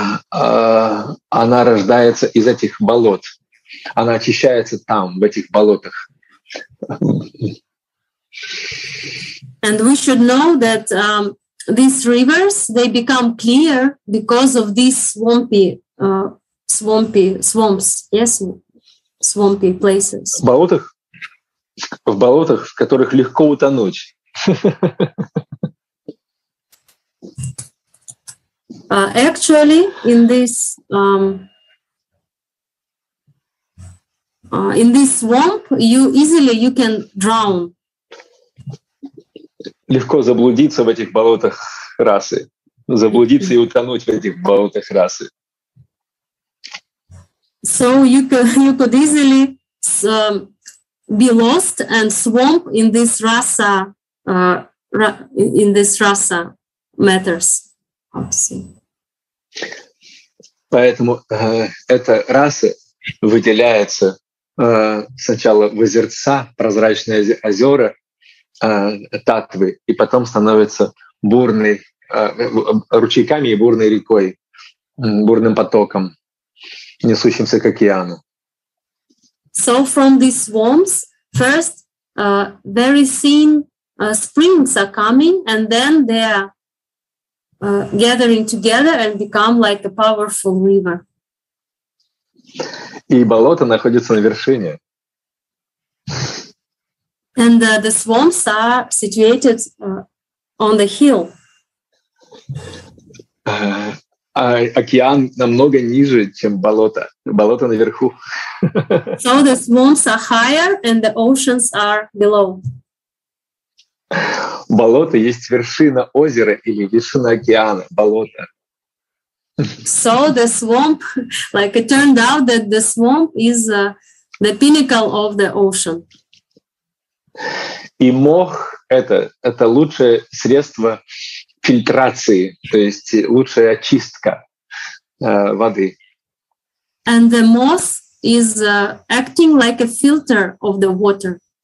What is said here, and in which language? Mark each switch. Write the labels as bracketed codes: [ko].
[ru] Она рождается из этих болот. Она очищается там, в этих болотах. [en] And we should know that these rivers, they become clear because of these swamps. Yes, swampy places. [ru] В болотах? В болотах, в которых легко утонуть. [en] Actually, in this in this swamp, you easily you can drown. [ru] Легко заблудиться в этих болотах расы, заблудиться и утонуть в этих болотах расы. [en] So you could easily be lost and swamp in this rasa matters. [ru] Поэтому эта раса выделяется сначала в озерца, прозрачные озера Таттвы, и потом становится бурной ручейками и бурной рекой, бурным потоком, несущимся к океану. [en] So from these swamps, first very thin springs are coming, and then they are gathering together and become like a powerful river. [ru] И болото находится на вершине. [en] And the swamps are situated on the hill. [ru] Океан намного ниже, чем болото. Болото наверху. [en] So the swamps are higher and the oceans are below. [ru] Болото есть вершина озера или вершина океана. Болото. [en] So the swamp, like it turned out that the swamp is the pinnacle of the ocean. [ru] И мох это лучшее средство фильтрации, то есть лучшая очистка воды. [en] And the moss is acting like a filter of the water.